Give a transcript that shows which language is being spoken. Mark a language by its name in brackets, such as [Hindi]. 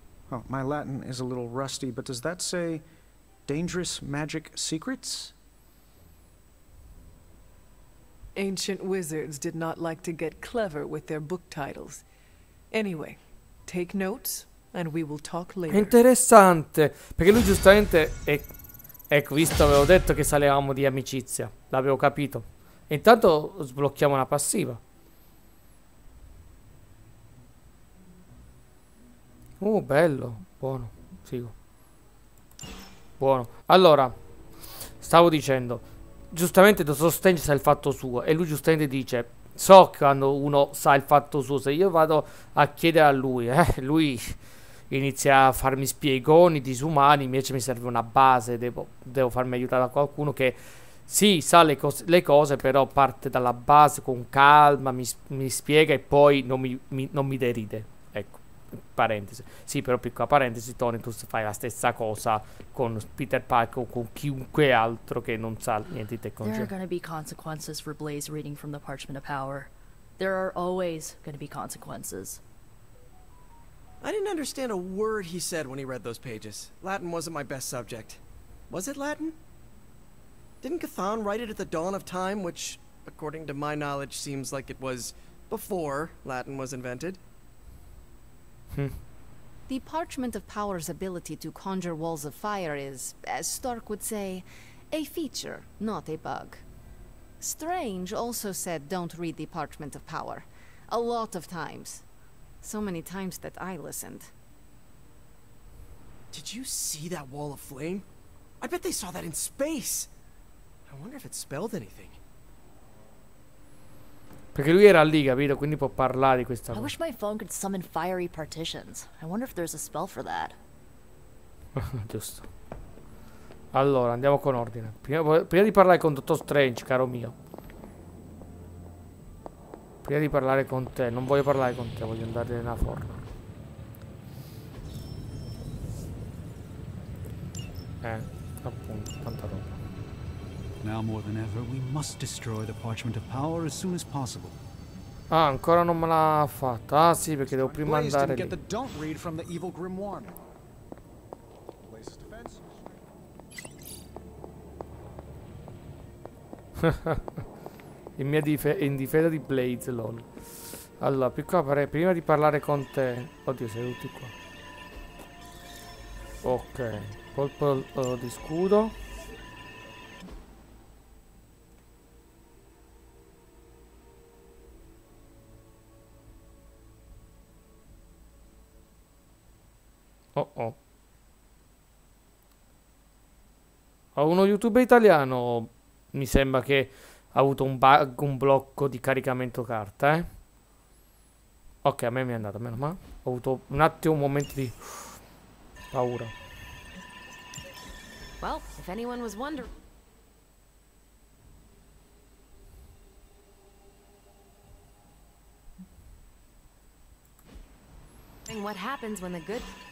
[English] Oh, my Latin is a little rusty, but does that say dangerous magic secrets? Ancient wizards did not like to get clever with their book titles. Anyway, take notes and we will talk later. [Italian] Interessante, perché lui giustamente è... Ecco, visto, avevo detto che salivamo di amicizia. L'avevo capito. Intanto sblocchiamo una passiva. Bello. Buono. Figo. Buono. Allora, stavo dicendo, giustamente Dottor Strange sa il fatto suo. E lui giustamente dice, so quando uno sa il fatto suo. Se io vado a chiedere a lui, lui inizia a farmi spiegoni disumani. Invece mi serve una base. Devo farmi aiutare da qualcuno che sì, sa le cose, però parte dalla base con calma, mi spiega e poi non mi deride. Ecco, parentesi. Sì, però piccola parentesi, Tony, tu fai la stessa cosa con Peter Parker o con chiunque altro che non sa niente di tecnologia. [English] There are going to be consequences for Blaze reading from the Parchment of Power. There are always going to be consequences. I didn't understand a word he said when he read those pages. Latin wasn't my best subject. Was it Latin? Didn't C'thon write it at the dawn of time, which, according to my knowledge, seems like it was before Latin was invented? The Parchment of Power's ability to conjure walls of fire is, as Stark would say, a feature, not a bug. Strange also said don't read the Parchment of Power. A lot of times. So many times that I listened. Did you see that wall of flame? I bet they saw that in space! I wonder if it spelled anything. [Italian] Perché lui era lì, capito? Quindi può parlare di questa cosa. [English] I wish my phone could summon fiery partitions. I wonder if there's a spell for that. [Italian] Giusto. Allora, andiamo con ordine. Prima di parlare con Dottor Strange, caro mio. Prima di parlare con te, non voglio parlare con te, voglio andare nella forno. Appunto, tanta roba. [English] Now more than ever, we must destroy the Parchment of Power as soon as possible. [Italian] Ah, ancora non me l'ha fatta. Ah, sì, perché devo prima andare lì. [English] Don't read from the evil grimoire. [Italian] In difesa di Blaze, lol. Allora, più qua, prima di parlare con te... Oddio, sei tutti qua. Ok. Polpo di scudo. Oh oh. Ho uno youtuber italiano. Mi sembra che ha avuto un bug, un blocco di caricamento carta, eh. Ok, a me mi è andato, meno male. Ho avuto un attimo, un momento di paura. [English] Well, if anyone was wondering. And what happens when the good.